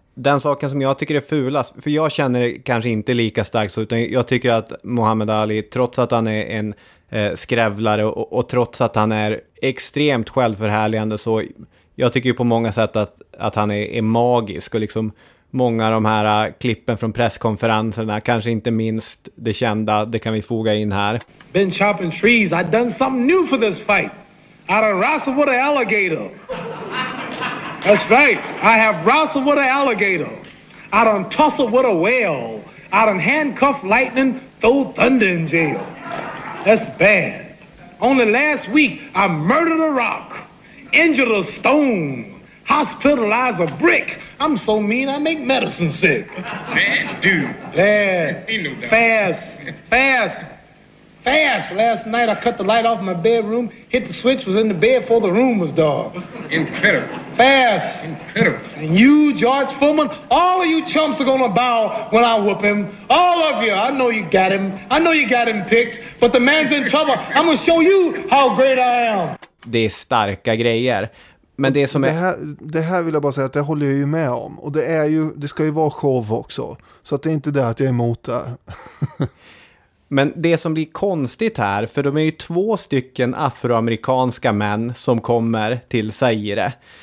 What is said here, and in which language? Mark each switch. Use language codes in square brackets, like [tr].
[sv] Den saken som jag tycker är fulast, för jag känner det kanske inte lika starkt, utan jag tycker att Muhammad Ali, trots att han är en skrävlare och trots att han är extremt självförhärligande, så jag tycker ju på många sätt att han är magisk, och liksom många av de här klippen från presskonferenserna, kanske inte minst det kända, det kan vi foga in här. [en] Been chopping trees. I done something new for this fight. I done wrestled with an alligator. That's right. I have wrestled with an alligator. I done tussled with a whale. I done handcuffed lightning, throw thunder in jail. That's bad. Only last week, I murdered a rock, injured a stone, hospitalized a brick. I'm so mean, I make medicine sick. Bad dude. Bad. Fast. Last night, I cut the light off in my bedroom, hit the switch, was in the bed before the room was dark. Incredible. Fast. Incredible. And you, George Fullman, all of you chumps are gonna bow when I whoop him. All of you. I know you got him. I know you got him picked, but the man's in trouble. I'm gonna show you how great I am. [sv] Det är starka grejer. Men det, som är... det här vill jag bara säga att det håller jag ju med om. Och det är ju, det ska ju vara show också. Så att det är inte det att jag är emot det. Men det som blir konstigt här, för de är ju två stycken afroamerikanska män som kommer till Zaire.